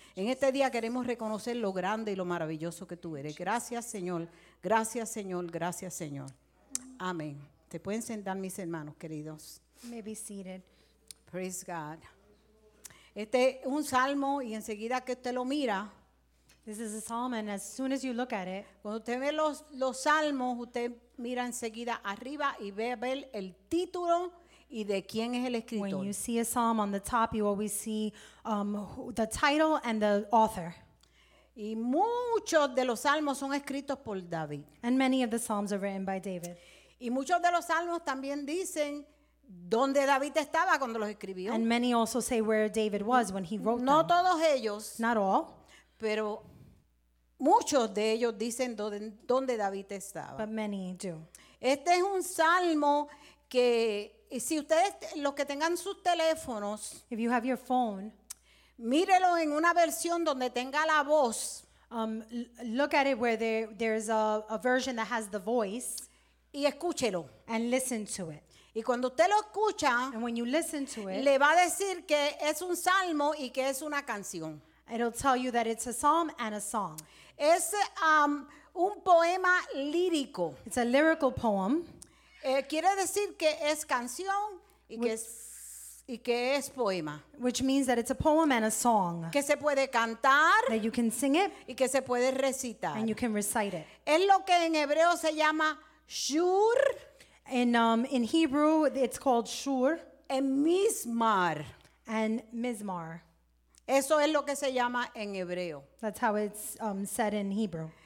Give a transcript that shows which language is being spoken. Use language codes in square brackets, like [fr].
[es] En este día queremos reconocer lo grande y lo maravilloso que tú eres. Gracias, Señor. Gracias, Señor. Gracias, Señor. Amén. Te pueden sentar, mis hermanos queridos. [en] May be seated. Praise God. [es] Este es un salmo y enseguida que usted lo mira. [en] This is a psalm and as soon as you look at it. [es] Cuando usted ve los salmos, usted mira enseguida arriba y ve a ver el título y de quién es el escritor. [en] When you see a psalm on the top, you always see the title and the author. [es] Y muchos de los salmos son escritos por David. [en] And many of the psalms are written by David. [es] Y muchos de los salmos también dicen dónde David estaba cuando los escribió. [en] And many also say where David was when he wrote [es] no [en] them. [es] No todos ellos. [en] Not all. [es] Pero muchos de ellos dicen dónde David estaba. [en] But many do. [es] Este es un salmo que, si ustedes, los que tengan sus teléfonos. [en] If you have your phone. [es] Mírelo en una versión donde tenga la voz. [en] Look at it where there's a version that has the voice. [es] Y escúchelo. [en] And listen to it. [es] Y cuando usted lo escucha, [en] and when you listen to it, [es] le va a decir que es un salmo y que es una canción. [en] It'll tell you that it's a psalm and a song. [es] Es un poema lírico. [en] It's a lyrical poem. [es] Quiere decir que es canción y que es poema. [en] Which means that it's a poem and a song. [es] Que se puede cantar. [en] That you can sing it. [es] Y que se puede recitar. [en] And you can recite it. [es] Es lo que en hebreo se llama Shur. [en] In Hebrew, it's called Shur. [es] En Mismar. [en] And Mismar. [es] Eso es lo que se llama en hebreo. [en] That's how it's said in Hebrew.